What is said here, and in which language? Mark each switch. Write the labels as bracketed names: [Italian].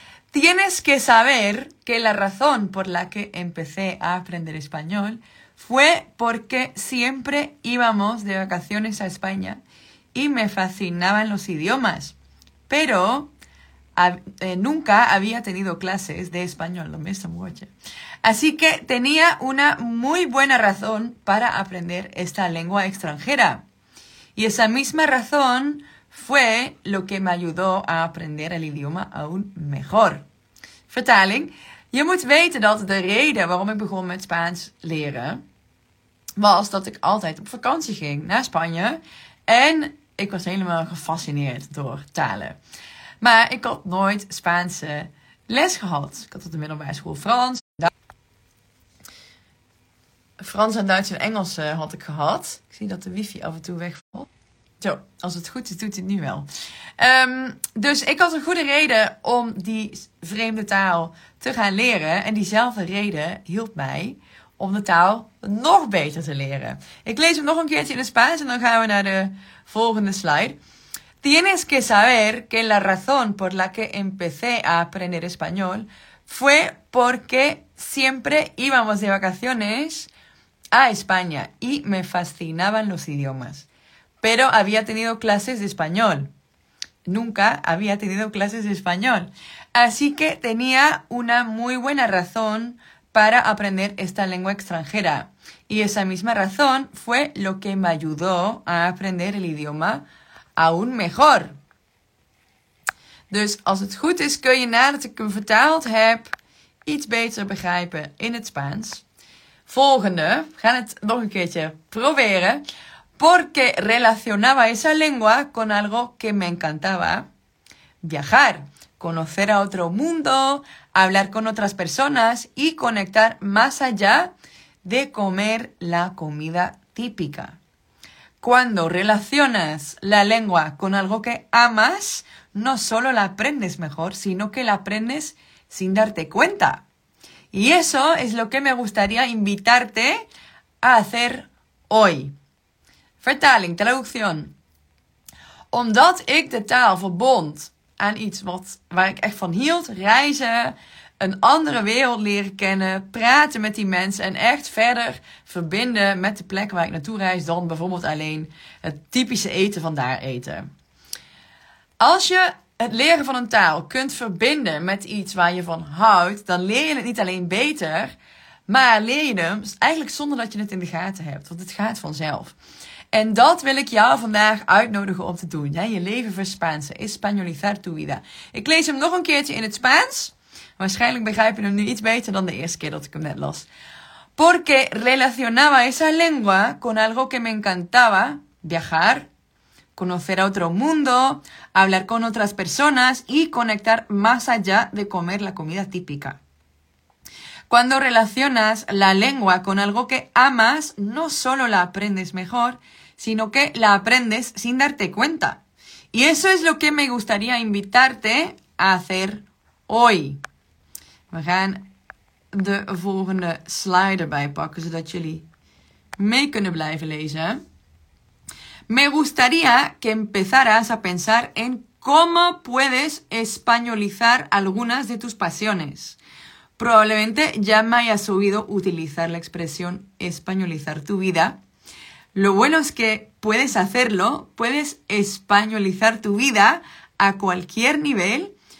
[Spanish] Tienes que saber que la razón por la que empecé a aprender español fue porque siempre íbamos de vacaciones a España y me fascinaban los idiomas, pero nunca había tenido clases de español. Así que tenía una muy buena razón para aprender esta lengua extranjera. Y esa misma razón fue lo que me ayudó a aprender el idioma aún mejor. [Dutch] Vertaling. Je moet weten dat de reden waarom ik begon met Spaans leren was dat ik altijd op vakantie ging naar Spanje. En ik was helemaal gefascineerd door talen. Maar ik had nooit Spaanse les gehad. Ik had op de middelbare school Frans. Frans en Duits en Engels had ik gehad. Ik zie dat de wifi af en toe wegvalt. Zo, als het goed is, doet het nu wel. Dus ik had een goede reden om die vreemde taal te gaan leren. En diezelfde reden hielp mij om de taal nog beter te leren. Ik lees hem nog een keertje in het Spaans en dan gaan we naar de volgende slide. [Spanish] Tienes que saber que la razón por la que empecé a aprender español fue porque siempre íbamos de vacaciones a España y me fascinaban los idiomas. Pero había tenido clases de español. Nunca había tenido clases de español. Así que tenía una muy buena razón para aprender esta lengua extranjera. Y esa misma razón fue lo que me ayudó a aprender el idioma aún mejor. [Dutch] Dus als het goed is, kun je nadat ik hem vertaald heb iets beter begrijpen in het Spaans. Volgende, we gaan het nog een keertje proberen. [Spanish] Porque relacionaba esa lengua con algo que me encantaba. Viajar, conocer a otro mundo, hablar con otras personas y conectar más allá de comer la comida típica. Cuando relacionas la lengua con algo que amas, no solo la aprendes mejor, sino que la aprendes sin darte cuenta. Y eso es lo que me gustaría invitarte a hacer hoy. [Dutch] Vertaling, [Spanish] traducción. [Dutch] Omdat ik de taal verbond aan iets waar ik echt van hield, reizen, een andere wereld leren kennen, praten met die mensen en echt verder verbinden met de plek waar ik naartoe reis dan bijvoorbeeld alleen het typische eten van daar eten. Als je het leren van een taal kunt verbinden met iets waar je van houdt, dan leer je het niet alleen beter, maar leer je hem eigenlijk zonder dat je het in de gaten hebt, want het gaat vanzelf. En dat wil ik jou vandaag uitnodigen om te doen. Ja, je leven verspaansen. [Spanish] Españolizar tu vida. [Dutch] Ik lees hem nog een keertje in het Spaans. Waarschijnlijk begrijp je hem nu iets beter dan de eerste keer dat ik hem net las. [Spanish] Porque relacionaba esa lengua con algo que me encantaba. Viajar. Conocer a otro mundo. Hablar con otras personas. Y conectar más allá de comer la comida típica. Cuando relacionas la lengua con algo que amas, no solo la aprendes mejor, sino que la aprendes sin darte cuenta. Y eso es lo que me gustaría invitarte a hacer hoy. [Dutch] We gaan de volgende slide erbij pakken, zodat jullie mee kunnen blijven lezen. [Spanish] Me gustaría que empezaras a pensar en cómo puedes españolizar algunas de tus pasiones. Probablemente ya me hayas oído utilizar la expresión españolizar tu vida. Lo bueno es que puedes hacerlo, puedes españolizar tu vida a cualquier nivel,